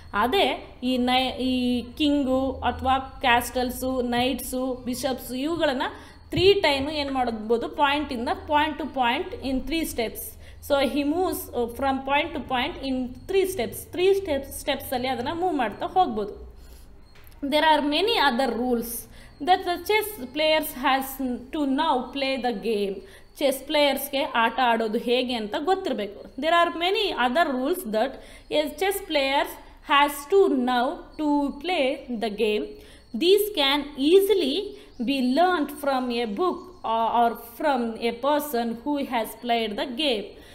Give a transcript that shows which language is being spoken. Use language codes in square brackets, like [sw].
[kn] ಅದೇ ಈ ಕಿಂಗು ಅಥವಾ ಕ್ಯಾಸ್ಟಲ್ಸು, ನೈಟ್ಸು, ಬಿಷಪ್ಸು ಇವುಗಳನ್ನು ತ್ರೀ ಟೈಮು ಏನು ಮಾಡಬೋದು, ಪಾಯಿಂಟಿಂದ point to point in three steps. [en] so he moves from point to point in three ಸ್ಟೆಪ್ಸಲ್ಲಿ [kn] ಅದನ್ನು ಮೂವ್ ಮಾಡ್ತಾ ಹೋಗ್ಬೋದು. [en] There are many other rules that the chess players has to now play the game. [kn] Chess ಪ್ಲೇಯರ್ಸ್ಗೆ ಆಟ ಆಡೋದು ಹೇಗೆ ಅಂತ ಗೊತ್ತಿರಬೇಕು. [en] There are many other rules that chess players has to now to play the game. These can easily be learned from a book or from a person who has played the game.